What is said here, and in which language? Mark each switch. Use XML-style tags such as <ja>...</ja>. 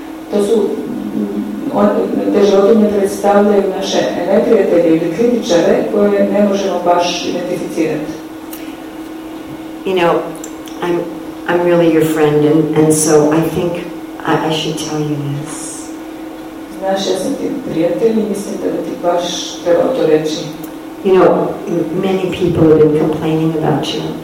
<hr>To su, te životinje predstavljaju naše neprijatelje ili kritičare koje ne možemo baš identificirati.</hr> <en>You know, I'm really your friend and so I think I should tell you this.</en> <hr>Znam Znaš, ja sam ti prijatelj i mislim da ti baš treba to reći.</hr> <en>You know, many people have been complaining about you.</en>